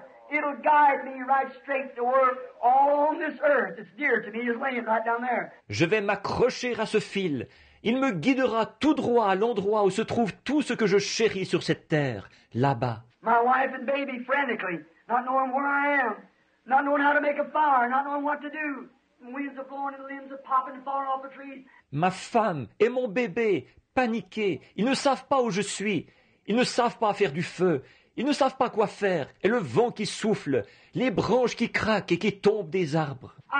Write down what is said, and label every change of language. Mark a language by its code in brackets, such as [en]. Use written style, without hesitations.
[en] It'll guide me right straight to where all on this earth that's dear to me is laying right down there. [fr] Je vais m'accrocher à ce fil. Il me guidera tout droit à l'endroit où se trouve tout ce que je chéris sur cette terre, là-bas. [en] My wife and baby frantically, not knowing where I am, not knowing how to make a fire, not knowing what to do. Winds are blowing and limbs are popping far off the trees. [fr] Ma femme et mon bébé paniqués. Ils ne savent pas où je suis. Ils ne savent pas faire du feu. Ils ne savent pas quoi faire, et le vent qui souffle, les branches qui craquent et qui tombent des arbres.